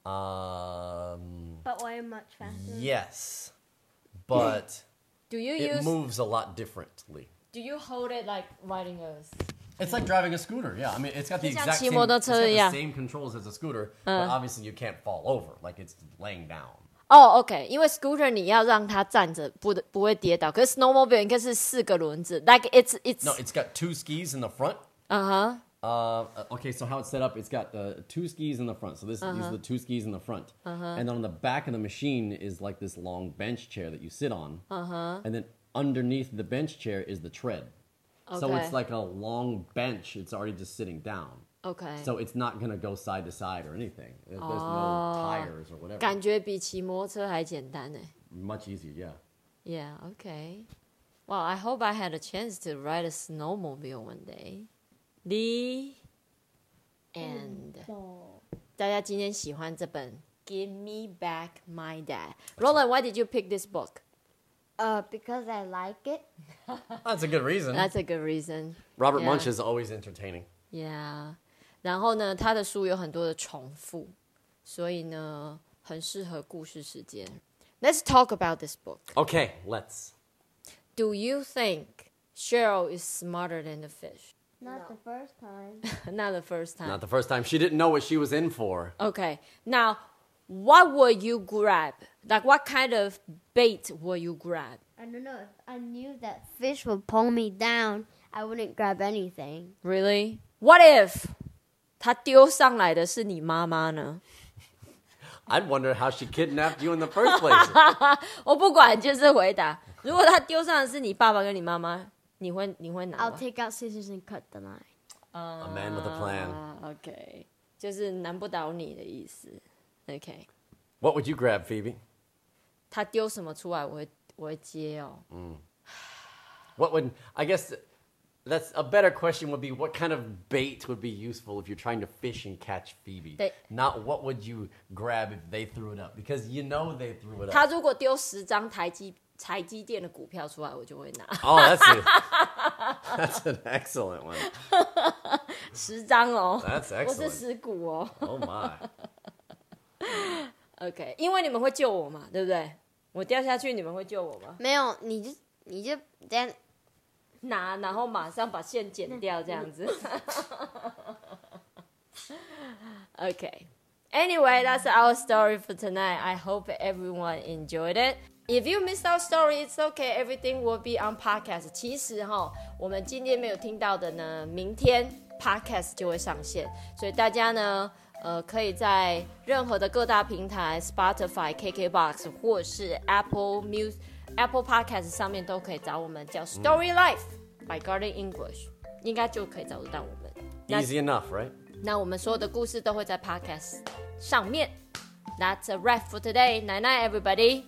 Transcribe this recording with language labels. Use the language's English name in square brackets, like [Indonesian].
[English] But way much faster. Yes. But do you it moves a lot differently. Do you hold it like riding a... It's like driving a scooter, yeah. I mean, it's got the exact same, it's got the same controls as a scooter, but obviously you can't fall over. Like, it's laying down. [Chinese] 哦、oh, ，OK， 因为 scooter 你要让它站着，不会跌倒。可是 snowmobile 应该是四个轮子 ，like it's [English] no, it's got two skis in the front. Okay, so how it's set up, it's got the two skis in the front. So this、uh-huh. these are the two skis in the front. Uh-huh. And then on the back of the machine is like this long bench chair that you sit on. Uh-huh. And then underneath the bench chair is the tread. Okay. So it's like a long bench. It's already just sitting down. Okay. So it's not going to go side to side or anything. There's、 oh, no tires or whatever. [Chinese] 感觉比骑摩托车还简单耶。 [English] Much easier, yeah. Yeah, okay. Well, I hope I had a chance to ride a snowmobile one day. The end. [Chinese] 大家今天喜欢这本 Give Me Back My Dad. [English] Roland, why did you pick this book? Because I like it. That's a good reason. That's a good reason. Robert、yeah. Munch is always entertaining. Yeah. [Chinese] 然后呢，他的书有很多的重复，所以呢，很适合故事时间。 [English] Let's talk about this book. Okay, let's. Do you think Cheryl is smarter than the fish? Not、no. the first time. Not the first time. Not the first time. She didn't know what she was in for. Okay. Now, what would you grab? Like, what kind of bait will you grab? I don't know. If I knew that fish would pull me down, I wouldn't grab anything. Really? What if [Chinese] 他丢上来的是你妈妈呢 [English] I'd wonder how she kidnapped you in the first place. [Chinese] 我不管，就是回答。如果他丢上的是你爸爸跟你妈妈，你会拿吗 [English] I'll take out scissors and cut the line. A man with a plan. [Chinese] Okay. 就是难不倒你的意思。Okay. [English] What would you grab, Phoebe? [Chinese] 他丢什么出来，我会接哦。 [English] 嗯、What would I guess? That's a better question. Would be what kind of bait would be useful if you're trying to fish and catch Phoebe? Not what would you grab if they threw it up? Because you know they threw it up. [Chinese] 他如果丢十张台积电的股票出来，我就会拿。 [English] Oh, that's an excellent one. [Chinese] 十张哦。 [English] That's excellent. [Chinese] 我是十股哦。 [English] Oh my. [Chinese] OK， 因为你们会救我嘛，对不对？我掉下去，你们会救我吗？没有，你就这样拿，然后马上把线剪掉，这样子。 [English] OK， anyway， that's our story for tonight. I hope everyone enjoyed it. If you missed our story, it's okay. Everything will be on podcast. [Chinese] 其实哈，我们今天没有听到的呢，明天 podcast 就会上线，所以大家呢。可以在任何的各大平台 Spotify, KKBOX 或是 Apple Podcast 上面都可以找我们叫 Story Life by Garden English 应该就可以找得到我们 [English] Easy enough, right? [Chinese] 那我们所有的故事都会在 Podcast 上面 [English] That's a wrap for today Night night everybody